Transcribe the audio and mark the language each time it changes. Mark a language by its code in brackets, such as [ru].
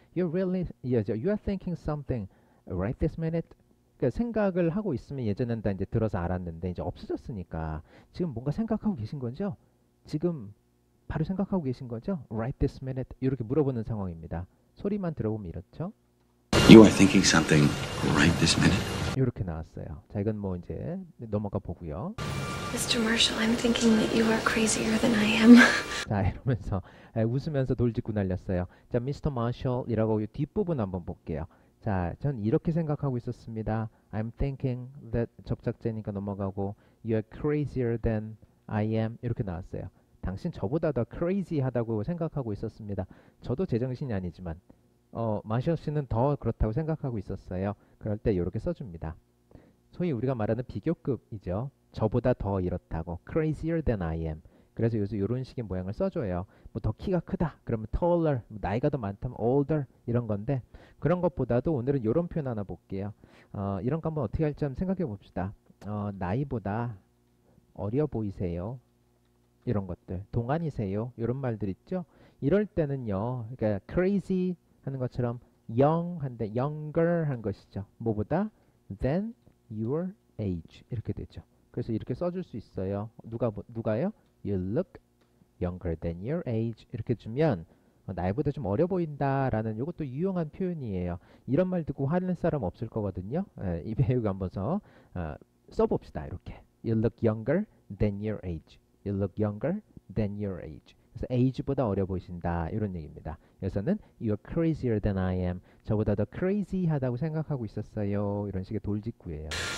[en] You are thinking something right this minute. [ko] 생각을 하고 있으면 예전엔 다 이제 들어서 알았는데 이제 없어졌으니까 지금 뭔가 생각하고 계신 거죠? 지금 바로 생각하고 계신 거죠? [en] Right this minute [ko] 이렇게 물어보는 상황입니다. 소리만 들어보면 이렇죠? [en] You are thinking something right this minute. [ko] 이렇게 나왔어요. 자, 이건 뭐 이제 넘어가 보고요. [en] Mr. Marshall, I'm thinking that you are crazier than I am. [ko] 자, 이러면서 웃으면서 돌직구 날렸어요. [en] 자, Mr. [ko] Marshall이라고 뒷부분 한번 볼게요. 자, 전 이렇게 생각하고 있었습니다. [en] I'm thinking that [ko] 접착제니까 넘어가고 [en] You're crazier than I am [ko] 이렇게 나왔어요. 당신 저보다 더 crazy하다고 생각하고 있었습니다. 저도 제정신이 아니지만 마셔 씨는 더 그렇다고 생각하고 있었어요. 그럴 때 이렇게 써줍니다. 소위 우리가 말하는 비교급이죠. 저보다 더 이렇다고 [en] crazier than I am. [ko] 그래서 요새 이런 식의 모양을 써줘요. 뭐더 키가 크다. 그러면 taller. 나이가 더 많다면 older. 이런 건데 그런 것보다도 오늘은 이런 표현 하나 볼게요. 이런 거 한번 어떻게 할지 한번 생각해 봅시다. 나이보다 어려 보이세요. 이런 것들. 동안이세요. 이런 말들 있죠. 이럴 때는요. 그러니까 crazy 하는 것처럼 young 한데 younger 한 것이죠. 뭐보다 [en] than your [ko] age 이렇게 되죠. 그래서 이렇게 써줄 수 있어요. 누가요? [en] You look younger than your age [ko] 이렇게 주면 나이보다 좀 어려 보인다라는 이것도 유용한 표현이에요. 이런 말 듣고 화낼 사람 없을 거거든요. 이 배우가 한번 써봅시다. 이렇게 [en] You look younger than your age. You look younger than your age. [ko] 그래서 age보다 어려 보이신다 이런 얘기입니다. 여기서는 [en] You're crazier than I am. [ko] 저보다 더 crazy하다고 생각하고 있었어요. 이런 식의 돌직구예요.